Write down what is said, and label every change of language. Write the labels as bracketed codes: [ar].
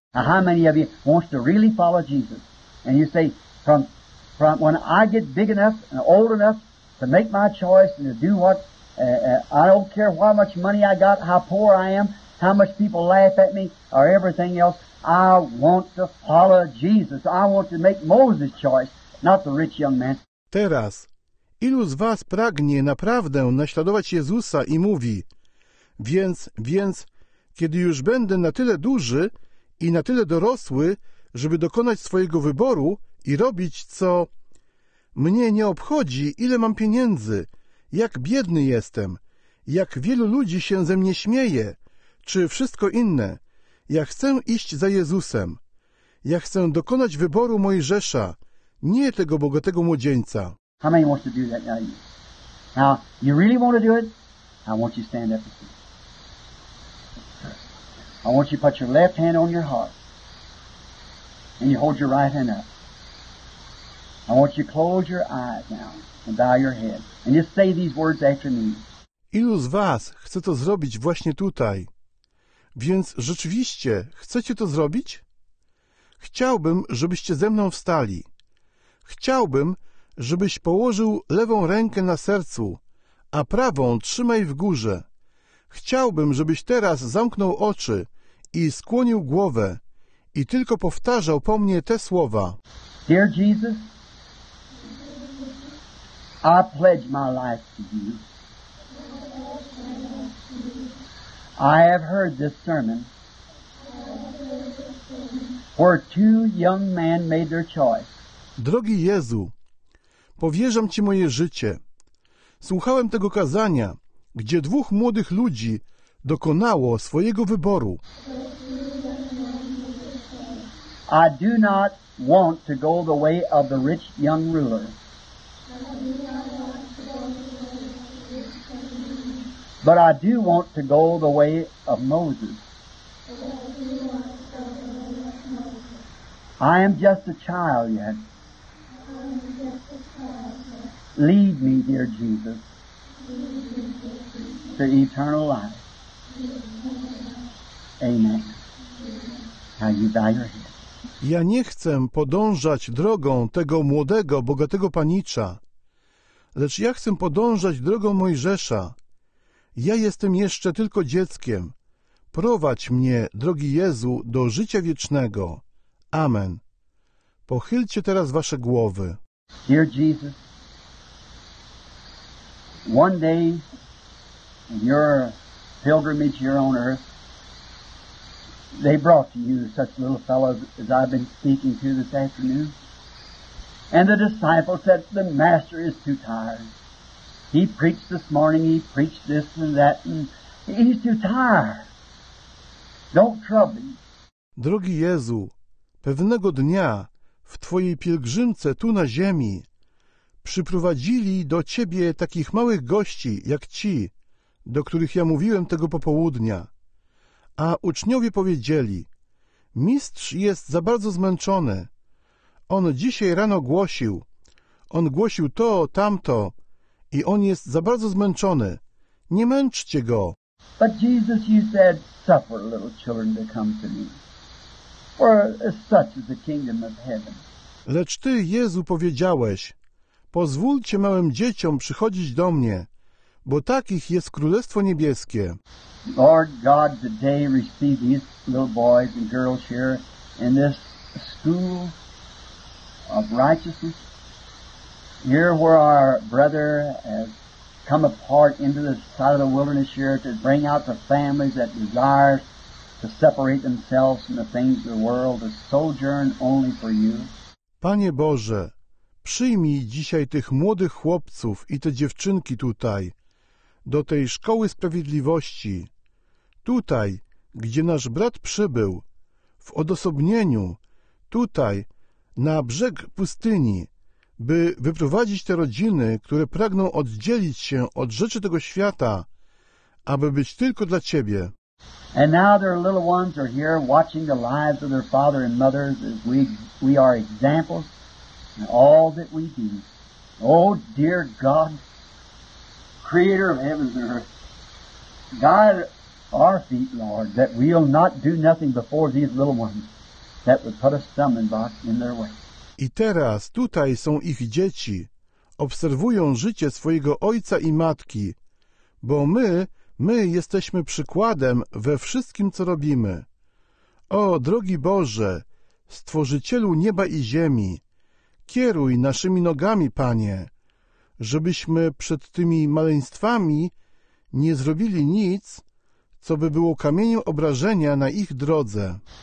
[en] Now how many of you wants to really follow Jesus? And you say, from when I get big enough and old enough to make my choice and to do what, I don't care how much money I got, how poor I am, how much people laugh at me or everything else, I want to follow Jesus. I want to make Moses' choice, not the rich young man. [pl] Teraz, ilu z was pragnie naprawdę naśladować Jezusa i mówi, więc, kiedy już będę na tyle duży i na tyle dorosły, żeby dokonać swojego wyboru i robić co? Mnie nie obchodzi, ile mam pieniędzy, jak biedny jestem, jak wielu ludzi się ze mnie śmieje, czy wszystko inne. Ja chcę iść za Jezusem. Ja chcę dokonać wyboru Mojżesza, nie tego bogatego młodzieńca. [en] How many wants to do that now? Now, you really want to do it? I want you to stand up. I want you to put your left hand on your heart. And you hold your right hand up. I want you to close your eyes now and bow your head. And just say these words after me. [pl] Ilu z was chce to zrobić właśnie tutaj? Więc rzeczywiście chcecie to zrobić? Chciałbym, żebyście ze mną wstali. Chciałbym, żebyś położył lewą rękę na sercu, a prawą trzymaj w górze. Chciałbym, żebyś teraz zamknął oczy i skłonił głowę i tylko powtarzał po mnie te słowa. [en] Dear Jesus, I pledge my life to you. I have heard this sermon where two young men made their choice. [pl] Drogi Jezu, powierzam Ci moje życie. Słuchałem tego kazania, gdzie dwóch młodych ludzi dokonało swojego wyboru. [en] I do not want to go the way of the rich young ruler. But I do want to go the way of Moses. I am just a child yet. Lead me, dear Jesus, to eternal life. Amen. Now you bow your head. [pl] Ja nie chcę podążać drogą tego młodego, bogatego panicza, lecz ja chcę podążać drogą Mojżesza. Ja jestem jeszcze tylko dzieckiem. Prowadź mnie, drogi Jezu, do życia wiecznego. Amen. Pochylcie teraz wasze głowy. [en] Dear Jesus, one day in your pilgrimage here on earth, they brought to you such little fellows as I've been speaking to this afternoon. And the disciple said, the master is too tired. He preached this morning, he preached this and that, and he's too tired. Don't trouble him. [pl] Drogi Jezu, pewnego dnia w Twojej pielgrzymce tu na ziemi przyprowadzili do Ciebie takich małych gości jak ci, do których ja mówiłem tego popołudnia. A uczniowie powiedzieli, mistrz jest za bardzo zmęczony. On dzisiaj rano głosił. On głosił to, tamto. I on jest za bardzo zmęczony. Nie męczcie go. [en] But Jesus, you said, suffer little children to come to me. For such is the kingdom of heaven. [pl] Lecz Ty, Jezu, powiedziałeś, pozwólcie małym dzieciom przychodzić do mnie, bo takich jest Królestwo Niebieskie. [en] Lord God, today receive these little boys and girls here in this school of righteousness. Here where our brother has come apart into the side of the wilderness here to bring out the families that desire to separate themselves from the things of the world, to sojourn only for you. [pl] Panie Boże, przyjmij dzisiaj tych młodych chłopców i te dziewczynki tutaj, do tej Szkoły Sprawiedliwości, tutaj, gdzie nasz brat przybył, w odosobnieniu, tutaj, na brzeg pustyni, by wyprowadzić te rodziny, które pragną oddzielić się od rzeczy tego świata, aby być tylko dla Ciebie. [en] And now their little ones are here watching the lives of their father and mothers as we are examples in all that we do. Oh, dear God, creator of heaven and earth, guide our feet, Lord, that we'll not do nothing before these little ones that would put a stumbling block in their way. [pl] I teraz tutaj są ich dzieci. Obserwują życie swojego ojca i matki, bo my jesteśmy przykładem we wszystkim, co robimy. O, drogi Boże, Stworzycielu nieba i ziemi, kieruj naszymi nogami, Panie, żebyśmy przed tymi maleństwami nie zrobili nic, co by było kamieniem obrażenia na ich drodze.